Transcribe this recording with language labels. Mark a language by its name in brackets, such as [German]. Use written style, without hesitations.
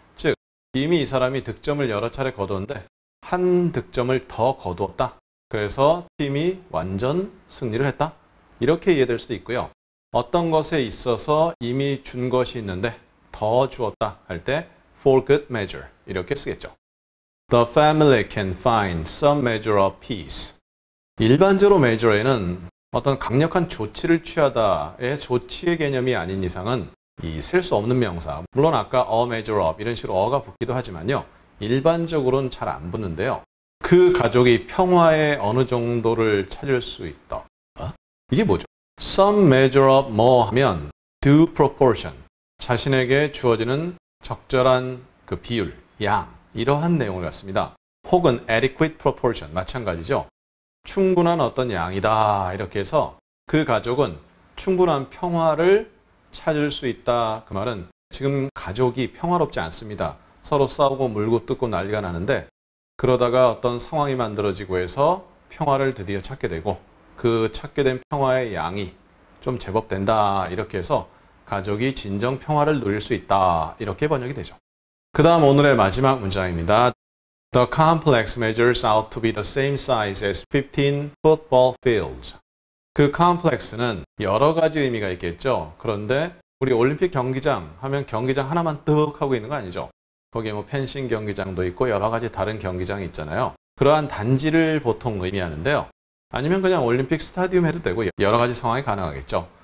[Korean] 즉, 이미 이 사람이 득점을 여러 차례 거두었는데 한 득점을 더 거두었다. 그래서 팀이 완전 승리를 했다. 이렇게 이해될 수도 있고요. 어떤 것에 있어서 이미 준 것이 있는데 더 주었다 할 때 [English] for good measure [Korean] 이렇게 쓰겠죠. [English] The family can find some measure of peace. [Korean] 일반적으로 measure에는 어떤 강력한 조치를 취하다의 조치의 개념이 아닌 이상은 이 셀 수 없는 명사, 물론 아까 [English] a measure of [Korean] 이런 식으로 어가 붙기도 하지만요, 일반적으로는 잘 안 붙는데요. 그 가족이 평화에 어느 정도를 찾을 수 있다. 이게 뭐죠? [English] Some measure of [Korean] 뭐 하면 [English] due proportion, [Korean] 자신에게 주어지는 적절한 그 비율, 양, 이러한 내용을 갖습니다. 혹은 [English] adequate proportion, [Korean] 마찬가지죠. 충분한 어떤 양이다 이렇게 해서 그 가족은 충분한 평화를 찾을 수 있다. 그 말은 지금 가족이 평화롭지 않습니다. 서로 싸우고 물고 뜯고 난리가 나는데 그러다가 어떤 상황이 만들어지고 해서 평화를 드디어 찾게 되고 그 찾게 된 평화의 양이 좀 제법 된다 이렇게 해서 가족이 진정 평화를 누릴 수 있다 이렇게 번역이 되죠. 그 다음 오늘의 마지막 문장입니다. [English] The complex measures out to be the same size as 15 football fields. [Korean] 그 complex는 여러 가지 의미가 있겠죠. 그런데 우리 올림픽 경기장 하면 경기장 하나만 뚝 하고 있는 거 아니죠. 거기에 뭐 펜싱 경기장도 있고 여러 가지 다른 경기장이 있잖아요. 그러한 단지를 보통 의미하는데요. 아니면 그냥 올림픽 스타디움 해도 되고 여러 가지 상황이 가능하겠죠.